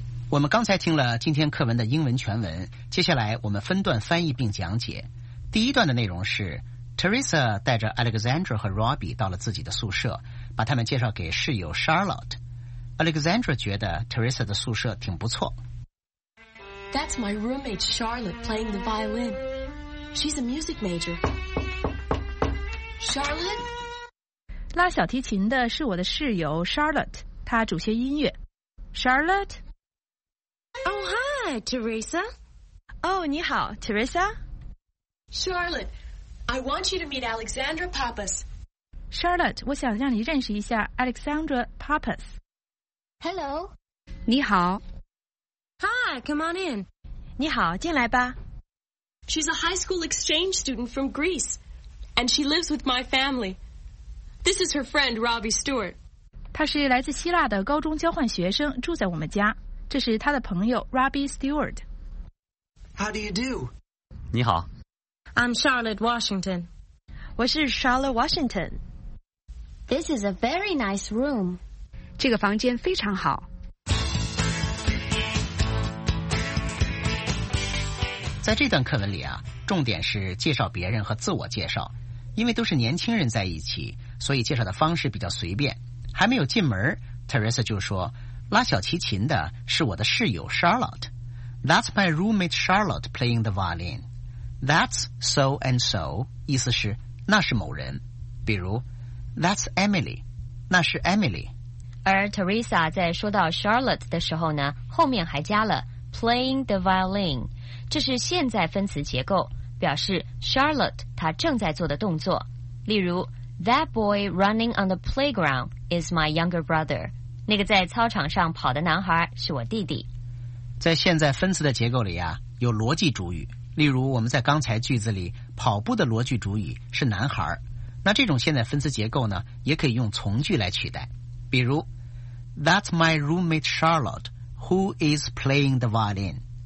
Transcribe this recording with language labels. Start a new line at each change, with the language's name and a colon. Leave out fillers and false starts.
English: We just heard today's lesson in English translation. Next, we'll translate and explain the first part. The first part of the lesson is
Chinese: Teresa 带着 Alexandra 和 Robbie 到了自己的宿舍，把他们介绍给室友 Charlotte。 Alexandra 觉得 Teresa 的宿舍挺不错。
English: That's my roommate Charlotte playing the violin. She's a music major. Charlotte?
Chinese: 拉小提琴的是我的室友 Charlotte, 她主修音乐。 Charlotte?
English: Oh, hi, Teresa.
Chinese: Oh, 你好 ,Teresa?
English: Charlotte, I want you to meet Alexandra Pappas.
Chinese: Charlotte, 我想让你认识一下 Alexandra Pappas.
English: Hello.
Chinese: 你好。
English: Hi, come on in.
Chinese: 你好，进来吧。
English: She's a high school exchange student from Greece, and she lives with my family. This is her friend, Robbie Stewart.
Chinese: 她是来自希腊的高中交换学生，住在我们家。这是她的朋友 Robbie Stewart.
English: How do you do?
Chinese: 你好。
English: I'm Charlotte Washington.
Chinese: 我是 Charlotte Washington.
English: This is a very nice room.
Chinese: 这个房间非常好。在这段课文里啊，重点是介绍别人和自我介绍，因为都是年轻人在一起，所以介绍的方式比较随便。还没有进门， Teresa 就说，拉小提琴的是我的室友 Charlotte.
English: That's my roommate Charlotte playing the violin. That's so and so,
Chinese: 意思是那是某人，比如
English: That's Emily,
Chinese: 那是 Emily. 而 Teresa 在说到 Charlotte 的时候呢，后面还加了
English: playing the violin.
Chinese: 这是现在分词结构，表示 Charlotte 她正在做的动作。例如
English: ，That boy running on the playground is my younger brother。
Chinese: 那个在操场上跑的男孩是我弟弟。在现在分词的结构里啊，有逻辑主语。例如，我们在刚才句子里，跑步的逻辑主语是男孩。那这种现在分词结构呢，也可以用从句来取代。比如
English: ，That's my roommate Charlotte who is playing the violin。